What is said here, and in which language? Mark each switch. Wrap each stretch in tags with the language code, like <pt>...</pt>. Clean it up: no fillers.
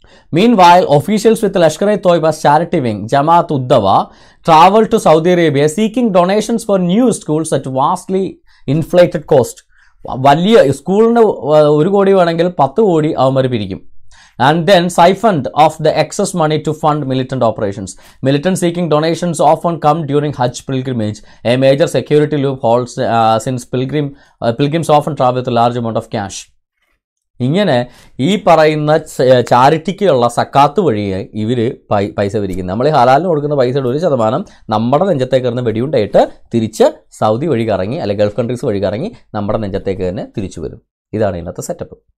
<en>Meanwhile, the officials with Lashkar-e Toyba's charity wing, Jamaat Uddawa, traveled to Saudi Arabia seeking donations for new schools at vastly inflated cost.</en> <ml>വലിയ സ്കൂളിൻ്റെ 1 crore വേണമെങ്കിൽ 10 crore അവന്മാർ പിരിക്കും.</ml> <en>And then siphoned off the excess money to fund militant operations. Militants seeking donations often come during Hajj pilgrimage. A major security loophole since pilgrims often travel with a large amount of cash.</en> <ml>ഇങ്ങനെ ഈ പറയുന്ന ചാരിറ്റിക്കുള്ള സക്കാത്ത് വഴി ഇവർ പൈസ പിരിക്കുന്നത്. നമ്മൾ ഈ ഹലാലിന് കൊടുക്കുന്ന പൈസയുടെ 1% നമ്മുടെ നെഞ്ചത്തേക്ക് തന്നെ വെടിയുണ്ടായിട്ട് തിരിച്ച് സൗദി വഴി കറങ്ങി, അല്ലെങ്കിൽ ഗൾഫ് കൺട്രീസ് വഴി കറങ്ങി നമ്മുടെ നെഞ്ചത്തേക്ക് തന്നെ തിരിച്ചു വരും. ഇതാണ് ഇതിനകത്തെ സെറ്റപ്പ്.</ml>